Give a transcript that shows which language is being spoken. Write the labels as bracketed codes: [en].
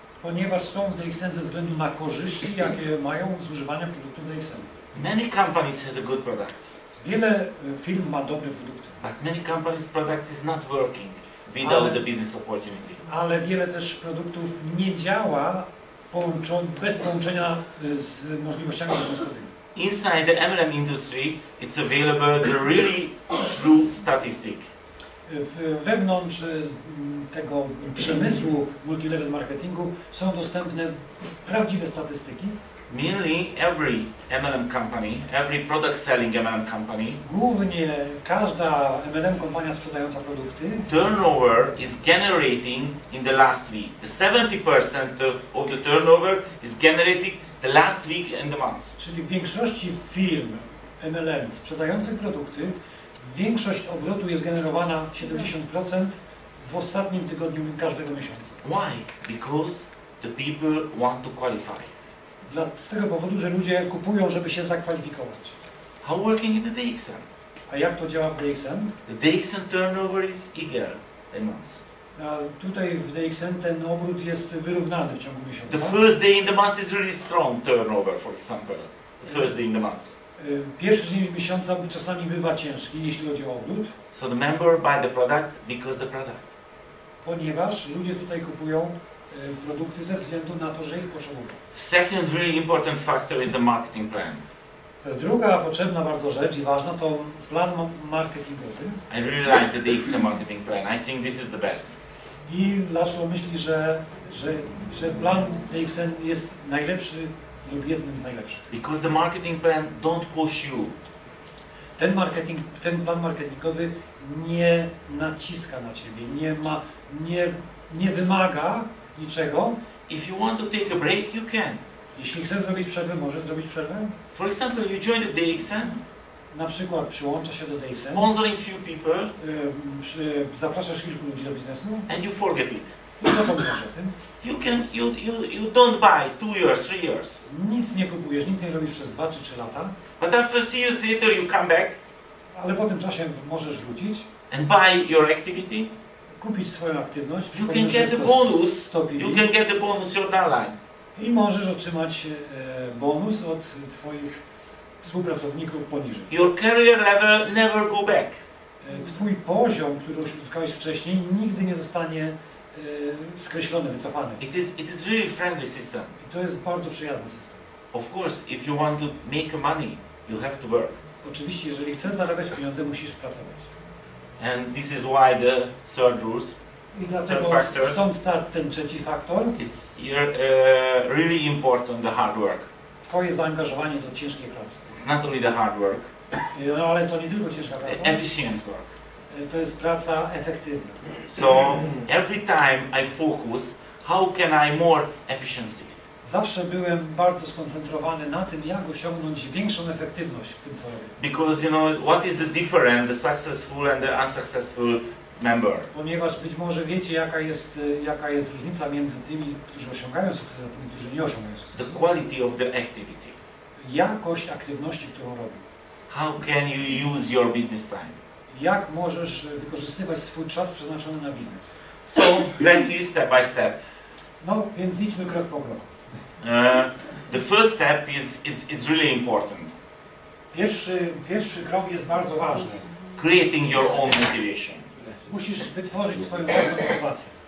[pl] Ponieważ są w DXN ze względu na korzyści, jakie mają z używania produktów DXN. [en] Many companies has a good product. [pl] Wiele firm ma dobre produkty. [en] But many companies' product is not working without the business opportunity. [pl] Ale wiele też produktów nie działa bez połączenia z możliwościami biznesowymi. [en] Inside the MLM industry, it's available the really true statistic. [pl] Wewnątrz tego przemysłu multilevel marketingu są dostępne prawdziwe statystyki. [en] Mainly every MLM company, every product selling MLM company. [pl] Głównie każda MLM kompania sprzedająca produkty. [en] Turnover is generating in the last week. The 70% of all the turnover is generating the last week and the month. [pl] Czyli w większości firm MLM sprzedających produkty, większość obrotu jest generowana 70% w ostatnim tygodniu każdego miesiąca. [en] Why? Because the people want to qualify. [pl] Z tego powodu, że ludzie kupują, żeby się zakwalifikować. [en] How working in the DXM? [pl] A jak to działa w DXM? [en] The DXM turnover is equal a month. [pl] A tutaj w DXM ten obrót jest wyrównany w ciągu miesiąca. [en] The first day in the month is really strong turnover, for example. The first day in the month. [pl] Pierwszy dzień miesiąca czasami bywa ciężki, jeśli chodzi o obrót. [en] So the member buy the product because the product. [pl] Ponieważ ludzie tutaj kupują produkty ze względu na to, że ich potrzebują. [en] Second really important factor is the marketing plan. [pl] Druga potrzebna bardzo rzecz i ważna to plan marketingowy. [en] I really like the DXM marketing plan. I think this is the best. [pl] I Laszlo myśli, że plan DXM jest najlepszy lub jednym z najlepszych. [en] Because the marketing plan don't push you. [pl] Ten plan marketingowy nie naciska na ciebie, nie wymaga niczego. [en] If you want to take a break, you can. [pl] Jeśli chcesz zrobić przerwę, możesz zrobić przerwę. [en] For example, you join the DXM. [pl] Na przykład przyłącza się do DXM. [en] Sponsoring few people. [pl] Zapraszasz kilku ludzi do biznesu. [en] And you forget it. [pl] I zapomniesz o tym. [en] You can, you don't buy 2 years, 3 years. [pl] Nic nie kupujesz, nic nie robisz przez 2 czy 3 lata. [en] But after 3 years later, you come back. [pl] Ale po tym czasie możesz wrócić. [en] And buy your activity. [pl] Kupić swoją aktywność, [en] you can get the bonus. You can get the bonus your downline. [pl] I możesz otrzymać bonus od twoich współpracowników poniżej. [en] Your career level never go back. [pl] Twój poziom, który uzyskałeś wcześniej, nigdy nie zostanie skreślony, wycofany. [en] It is really friendly system. [pl] I to jest bardzo przyjazny system. [en] Of course, if you want to make money, you have to work. [pl] Oczywiście, jeżeli chcesz zarabiać pieniądze, musisz pracować. [en] And this is why the third rules, third factors. [pl] Stąd ten trzeci faktor. [en] It's really important, the hard work. [pl] Twoje zaangażowanie do ciężkiej pracy. [en] It's not only the hard work. [pl] No, ale to nie tylko ciężka praca. [en] Efficient work. [pl] To jest praca efektywna. [en] So every time I focus, how can I more efficiency? [pl] Zawsze byłem bardzo skoncentrowany na tym, jak osiągnąć większą efektywność w tym, co robię. [en] Because you know what is the difference, the successful and the unsuccessful member. [pl] Ponieważ być może wiecie, jaka jest różnica między tymi, którzy osiągają sukces, a tymi, którzy nie osiągają sukcesu. [en] The quality of the activity. [pl] Jakość aktywności, którą robię. [en] How can you use your business time? [pl] Jak możesz wykorzystywać swój czas przeznaczony na biznes? [en] So let's see step by step. [pl] No, więc idźmy krok po kroku. [en] The first step is really important. [pl] Pierwszy krok jest bardzo ważny. [en] Creating your own motivation. [pl] Musisz wytworzyć swoją własną motywację.